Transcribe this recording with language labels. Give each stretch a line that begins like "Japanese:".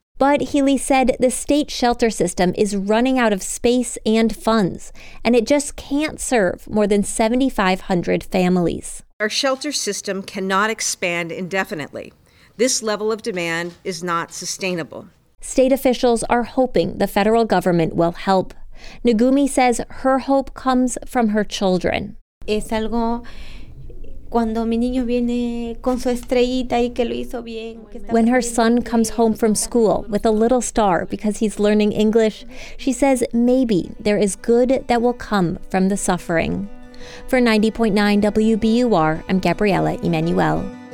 English: But Healy said the state shelter system is running out of space and funds, and it just can't serve more than 7,500 families. Our shelter system cannot expand indefinitely. This level of demand is not sustainable. State officials are hoping the federal government will help. Nagumi says her hope comes from her children.
Spanish: Es algo cuando mi niño viene con su estrellita y que lo hizo bien.
English: When her son comes home from school with a little star because he's learning English, she says maybe there is good that will come from the suffering. For 90.9 WBUR, I'm Gabriela Emanuel.